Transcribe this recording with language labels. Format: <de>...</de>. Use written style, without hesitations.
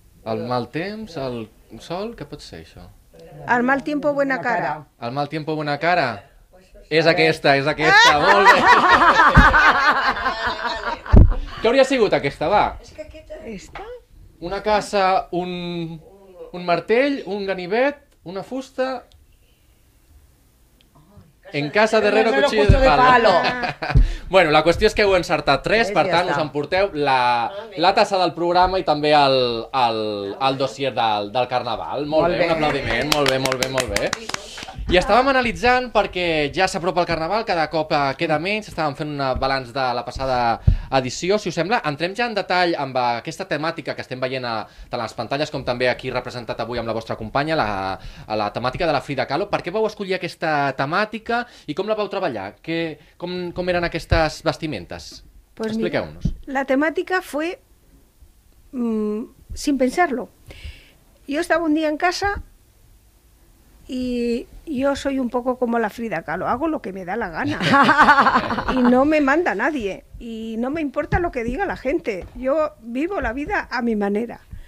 <ca>El mal temps, el sol, què pot ser això?</ca> <es>El mal tiempo, buena cara. El mal tiempo, buena cara.</es> <ca>És aquesta, molt bé. Què hauria sigut aquesta, va? És que aquesta... Una casa, un martell, un ganivet, una fusta en</ca> <es>casa de Herrero Cuchillo de Palo.</es> <ca>Bueno, la qüestió és que heu encertat tres, per tant, us emporteu la tassa del programa i també el dossier del carnaval. Molt bé, un aplaudiment. Molt bé, molt bé, molt bé. I estàvem analitzant perquè ja s'apropa el carnaval, cada cop queda menys, estàvem fent un balanç de la passada edició, si us sembla. Entrem ja en detall amb aquesta temàtica que estem veient tant a les pantalles com també aquí representat avui amb la vostra companya, la temàtica de la Frida Kahlo. Per què vau escollir aquesta temàtica i com la vau treballar? Com eren aquestes vestimentes? Pues expliqueu-nos.</ca> <es>Mira, la temàtica fue sin pensarlo. Yo estaba un día en casa y yo soy un poco como la Frida Kahlo, hago lo que me da la gana y no me manda nadie y no me importa lo que diga la gente, yo vivo la vida a mi manera.</es>